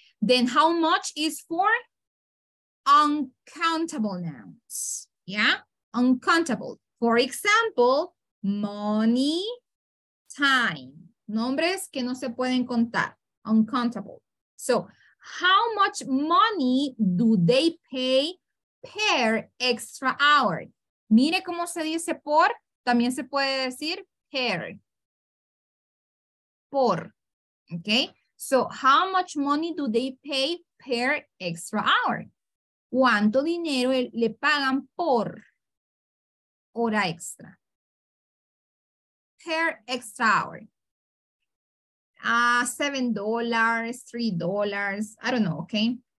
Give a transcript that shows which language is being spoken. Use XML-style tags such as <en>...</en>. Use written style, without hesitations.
<en>Then how much is for uncountable nouns, yeah? Uncountable. For example, money, time.</en> <es>Nombres que no se pueden contar,</es> <en>uncountable. So how much money do they pay per extra hour?</en> <es>Mire cómo se dice por, también se puede decir per. Por, okay?</es> <en>So, how much money do they pay per extra hour?</en> <es>¿Cuánto dinero le pagan por hora extra?</es> <en>Per extra hour. $7, $3, I don't know, okay?</en>